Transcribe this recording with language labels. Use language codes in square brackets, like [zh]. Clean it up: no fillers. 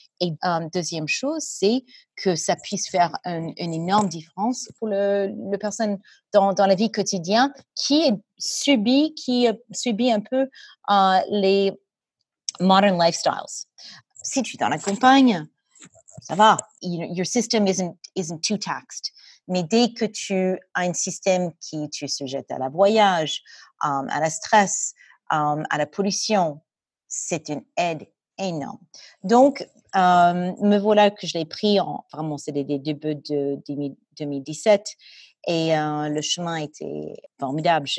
[fr] Et deuxième chose, c'est que ça puisse faire une énorme différence pour le personne dans la vie quotidienne qui subit un peu les [en] modern lifestyles. [fr] Si tu es dans la campagne, ça va. [en] Your system isn't too taxed. [fr] Mais dès que tu as un système qui tu es sujet à la voyage, à la stress, à la pollution, c'est une aide énorme. Donc, me voilà que je l'ai pris en vraiment CDD début de 2017 et le chemin était formidable.